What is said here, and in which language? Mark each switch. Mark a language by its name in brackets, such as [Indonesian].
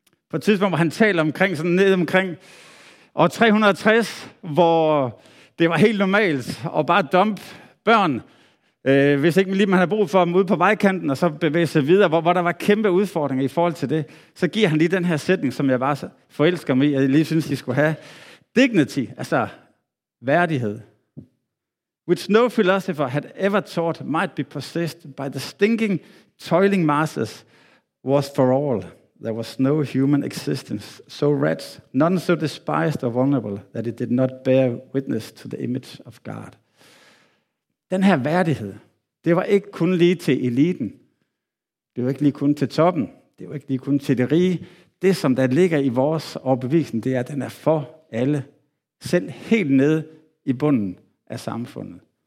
[Danish] På et tidspunkt, hvor han taler omkring, sådan ned omkring år 360, hvor det var helt normalt at bare dumpe børn, hvis ikke lige man havde brug for dem ude på vejkanten, og så bevæge sig videre, hvor der var kæmpe udfordringer i forhold til det, så giver han lige den her sætning, som jeg bare forelsker mig i, og jeg lige synes, I skulle have. Dignity, altså værdighed. [English] Which no philosopher had ever thought might be possessed by the stinking, toiling masses was for all. there was no human existence so wretched, none so despised or vulnerable, that it did not bear witness to the image of God. [Danish] Den her værdighed, det var ikke kun lige til eliten. Det var ikke lige kun til toppen. Det var ikke lige kun til det rige. Det, som der ligger i vores overbevisning, det er, at den er for alle. Selv helt nede i bunden af samfundet.